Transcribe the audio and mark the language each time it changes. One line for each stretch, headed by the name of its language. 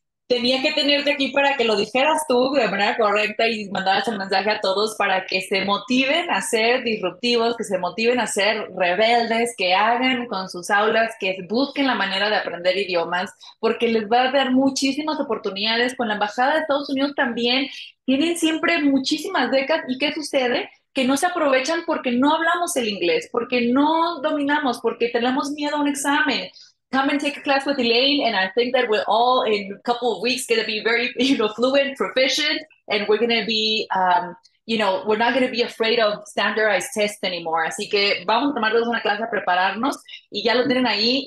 Spanish: Tenía que tenerte aquí para que lo dijeras tú de manera correcta y mandaras el mensaje a todos para que se motiven a ser disruptivos, que se motiven a ser rebeldes, que hagan con sus aulas, que busquen la manera de aprender idiomas, porque les va a dar muchísimas oportunidades. Con la Embajada de Estados Unidos también tienen siempre muchísimas becas. ¿Y qué sucede? Que no se aprovechan porque no hablamos el inglés, porque no dominamos, porque tenemos miedo a un examen.
English: Come and take a class with Elaine, and I think that we're all in a couple of weeks going to be very, you know, fluent, proficient, and we're going to be, we're not going to be afraid of standardized tests anymore.
Spanish: Así que vamos a tomarnos una clase a prepararnos, y ya lo tienen ahí.